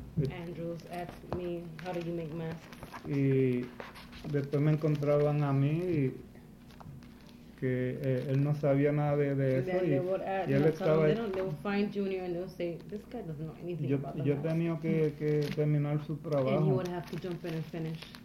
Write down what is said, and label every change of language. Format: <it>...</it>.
<en>Andrews asked me how do you make masks.</en> <es>Y después me encontraban a mí y que él no sabía nada de eso y él estaba ahí.</es> <en>They will find Junior and they'll say, this guy doesn't know anything about the mask.</en> <es>Yo tenía que terminar su trabajo.</es> <en>And he would have to jump in and finish.</en>